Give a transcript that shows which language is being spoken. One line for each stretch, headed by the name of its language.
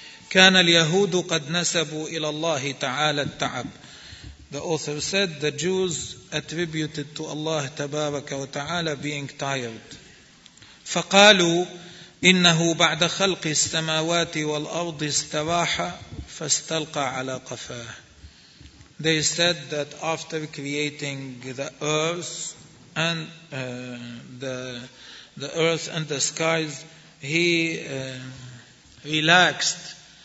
Arabic: كان اليهود قد نسبوا إلى الله تعالى التعب.
English: The author said the Jews attributed to Allah
Arabic: تبارك وتعالى
English: being tired.
Arabic: فقالوا إنه بعد خلق السماوات والأرض استراح فاستلقى على قفاه.
English: They said that after creating the earth and the earth and the skies, he relaxed.